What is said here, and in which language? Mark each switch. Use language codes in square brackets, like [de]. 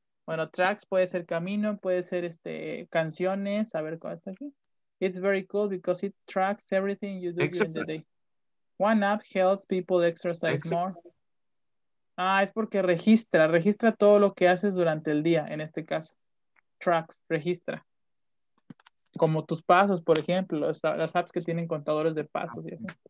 [es] Bueno, tracks puede ser camino, puede ser canciones. A ver, ¿cómo está aquí? [en] It's very cool because it tracks everything you do during the day. One app helps people exercise more. [es] Ah, es porque registra todo lo que haces durante el día, en este caso. Tracks, registra. Como tus pasos, por ejemplo, las apps que tienen contadores de pasos y así.